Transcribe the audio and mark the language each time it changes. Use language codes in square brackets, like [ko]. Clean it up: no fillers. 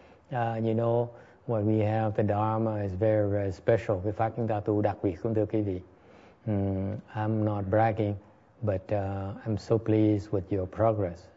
[en] You know what we have, the Dharma is very, very special. [vi] Cái pháp chúng ta tu đặc biệt, không thưa quý vị. [en] I'm not bragging, but I'm so pleased with your progress.